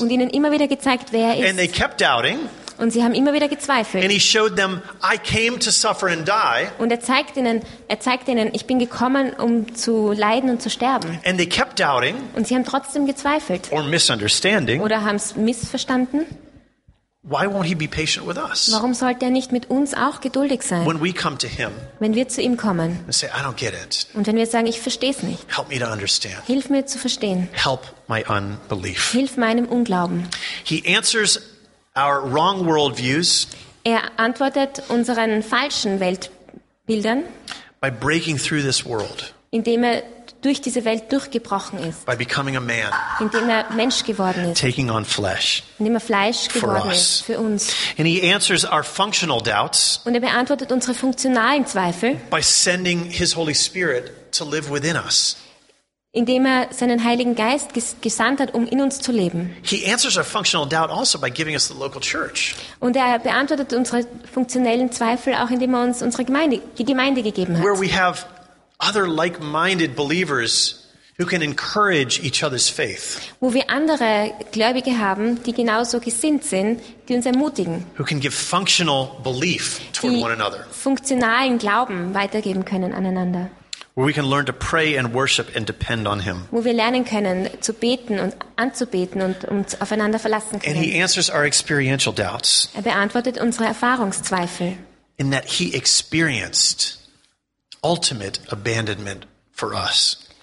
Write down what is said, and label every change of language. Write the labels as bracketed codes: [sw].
[de] und ihnen immer wieder gezeigt, wer er ist, [en] and they kept doubting. [de] Und sie haben immer wieder gezweifelt. [en] And he showed them, I came to suffer and die. [de] Und er zeigt ihnen, ich bin gekommen, um zu leiden und zu sterben. [en] And they kept doubting. [de] Und sie haben trotzdem gezweifelt. [en] Or misunderstanding. [de] Oder haben es missverstanden. [en] Why won't he be patient with us? [de] Warum sollte er nicht mit uns auch geduldig sein? [en] When we come to him. [de] Wenn wir zu ihm kommen. [en] And say, I don't get it. [de] Und wenn wir sagen, ich verstehe es nicht. [en] Help me to understand. [de] Hilf mir zu verstehen. [en] Help my unbelief. [de] Hilf meinem Unglauben. [en] He answers our wrong worldviews. [de] Er antwortet unseren falschen Weltbildern. [en] By breaking through this world. [de] Indem er durch diese Welt durchgebrochen ist. [en] By becoming a man. [de] Indem er Mensch geworden ist. [en] Taking on flesh. [de] Indem er Fleisch geworden ist für uns. [en] And he answers our functional doubts. [de] Und er beantwortet unsere funktionalen Zweifel. [en] By sending his Holy Spirit to live within us. [de] Indem er seinen Heiligen Geist gesandt hat, um in uns zu leben. [en] He answers our functional doubt also by giving us the local church. [de] Und er beantwortet unsere funktionellen Zweifel auch, indem er uns unsere Gemeinde, die Gemeinde gegeben hat. [en] Where we have other like-minded believers who can encourage each other's faith. [de] Wo wir andere Gläubige haben, die genauso gesinnt sind, die uns ermutigen. [en] Who can give functional belief toward one another. [de] Die funktionalen Glauben weitergeben können aneinander. [en] Where we can learn to pray and worship and depend on him. [de] Wo wir lernen können zu beten und anzubeten und uns aufeinander verlassen können. [en] And he answers our experiential doubts. [de] Er beantwortet unsere Erfahrungszweifel. [en] In that he experienced ultimate abandonment for us.